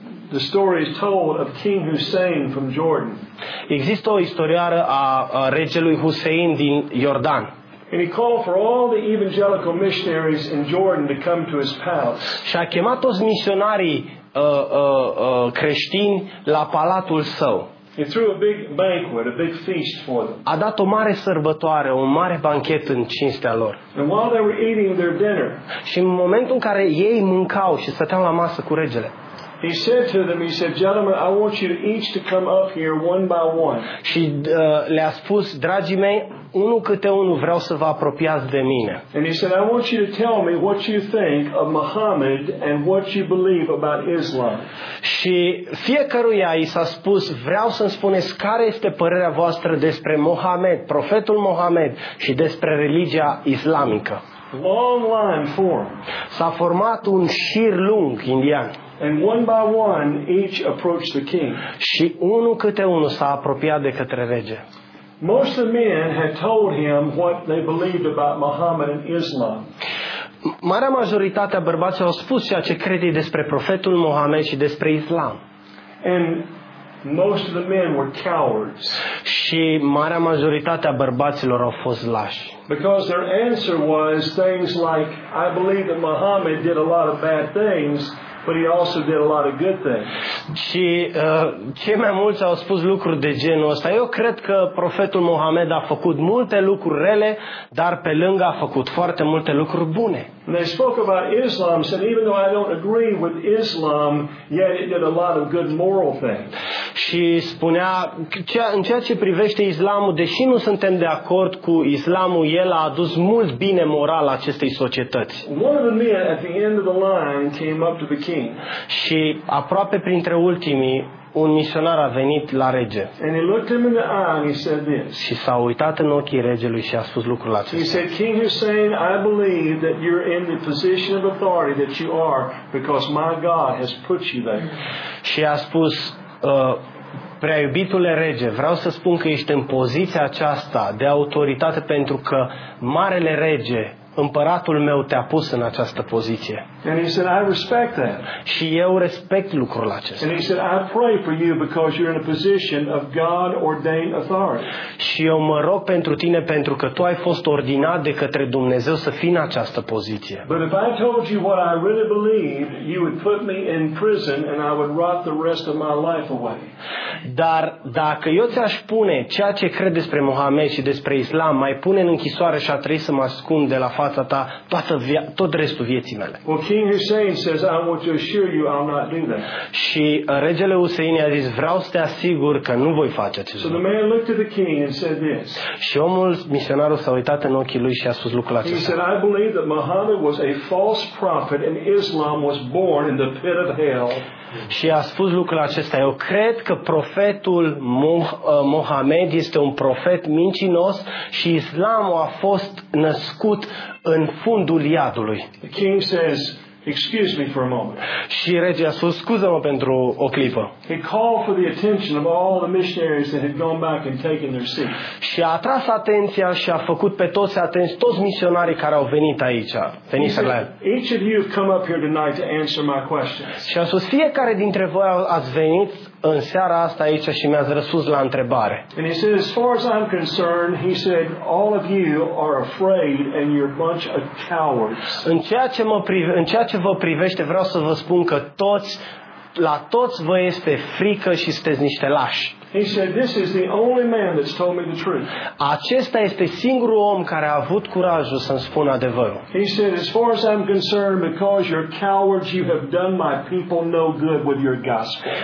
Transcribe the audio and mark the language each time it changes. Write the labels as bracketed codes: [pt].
[en] The story is told of King Hussein from Jordan. [ro] Există o istorioară a regelui Hussein din Iordan. [en] And he called for all the evangelical missionaries in Jordan to come to his palace. [ro] Și a chemat toți misionarii creștini la palatul său. [en] He threw a big banquet, a big feast for them. [ro] A dat o mare sărbătoare, un mare banchet în cinstea lor. [en] And while they were eating their dinner, [ro] și în momentul în care ei mâncau și stăteau la masă cu regele, [en] he said to them, he said, gentlemen, I want you each to come up here one by one. [ro] Și le-a spus, dragii mei, unul câte unul vreau să vă apropiați de mine. [en] And he said, I want you to tell me what you think of Muhammad and what you believe about Islam. [ro] Și fiecăruia i s-a spus, vreau să-mi spuneți care este părerea voastră despre Mohamed, profetul Mohamed și despre religia islamică. [en] Long line formed. [ro] S-a format un șir lung indian. [en] And one by one, each approached the king. [ro] Și unul câte unul s-a apropiat de către rege. [en] Most of the men had told him what they believed about Muhammad and Islam. [ro] Marea majoritate a bărbaților au spus ceea ce credeau despre profetul Muhammad și despre Islam. [en] And most of the men were cowards. [ro] Și marea majoritate a bărbaților au fost lași. [en] Because their answer was things like, I believe that Muhammad did a lot of bad things, but he also did a lot of good things. [ro] Și cei mai mulți au spus lucruri de genul ăsta. Eu cred că profetul Mohamed a făcut multe lucruri rele, dar pe lângă a făcut foarte multe lucruri bune. [en] And they spoke about Islam, said even though I don't agree with Islam, yet it did a lot of good moral things. [ro] Și spunea, în ceea ce privește Islamul, deși nu suntem de acord cu Islamul, el a adus mult bine moral acestei societăți. [en] One of the men at the end of the line came up to the king. [ro] Și aproape printre ultimii, un misionar a venit la rege. [en] And he looked him in the eye and he said this. [ro] Și s-a uitat în ochii regelui și a spus lucrul acesta. [en] He said, King Hussein, I believe that you're in the position of authority that you are because my God has put you there. [ro] Și a spus, prea iubitule rege, vreau să spun că ești în poziția aceasta de autoritate pentru că marele rege, împăratul meu, te-a pus în această poziție. [en] And he said, I respect that. [ro] Și eu respect lucrul acesta. [en] And he said, I pray for you because you're in a position of God-ordained authority. [ro] Și eu mă rog pentru tine pentru că tu ai fost ordinat de către Dumnezeu să fii în această poziție. [en] But if I told you what I really believe, you would put me in prison and I would rot the rest of my life away. [ro] Dar dacă eu ți-aș spune ceea ce cred despre Mohamed și despre Islam, mai pune în închisoare și a trebui să mă ascund de la fața ta toată tot restul vieții mele. [en] King Hussein says, I want to assure you I'll not do that. [ro] Și regele Hussein i-a zis, vreau să te asigur că nu voi face acest lucru. [en] So the man looked at the king and said this. [ro] Și omul, misionarul, s-a uitat în ochii lui și a spus lucrul acesta. [en] He said, I believe that Muhammad was a false prophet and Islam was born in the pit of hell. [ro] Și a spus lucrul acesta, eu cred că profetul Mohamed este un profet mincinos și Islamul a fost născut în fundul iadului. [en] The king says, excuse me for a moment. [ro] Și regele a spus, scuză-mă pentru o clipă. [en] He called for the attention of all the missionaries that had gone back and taken their seats. [ro] Și a atras atenția și a făcut pe toți atenți, toți misionarii care au venit aici, venise la el. [en] Each of you have come up here tonight to answer my questions. [ro] Și a spus, fiecare dintre voi ați venit în seara asta aici și mi-ați răspuns la întrebare. [en] And he said, as far as I'm concerned, he said, all of you are afraid and you're a bunch of cowards. [ro] În ceea ce vă privește, vreau să vă spun că toți, la toți vă este frică și sunteți niște lași. [en] He said, this is the only man that's told me the truth. [ro] Acesta este singurul om care a avut curajul să-mi spună adevărul. [en] He said, as far as I'm concerned, because you're cowards, you have done my people no good with your gospel.